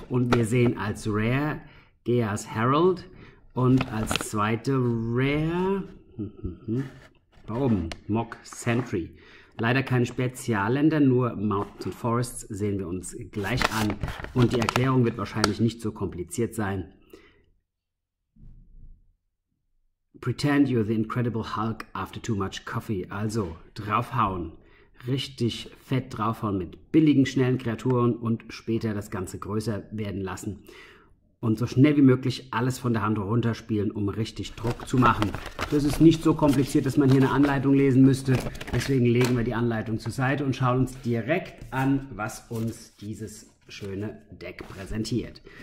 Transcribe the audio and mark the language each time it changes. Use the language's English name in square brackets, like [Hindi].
[German] Und wir sehen als Rare Gaea's Herald und als zweite Rare, da oben, Mog Sentry. Leider keine Spezialländer, nur Mountains und Forests sehen wir uns gleich an. Und die Erklärung wird wahrscheinlich nicht so kompliziert sein. [English] Pretend you're the Incredible Hulk after too much coffee. [German] Also draufhauen. Richtig fett draufhauen mit billigen, schnellen Kreaturen und später das Ganze größer werden lassen. Und so schnell wie möglich alles von der Hand runterspielen, um richtig Druck zu machen. Das ist nicht so kompliziert, dass man hier eine Anleitung lesen müsste. Deswegen legen wir die Anleitung zur Seite und schauen uns direkt an, was uns dieses schöne Deck präsentiert.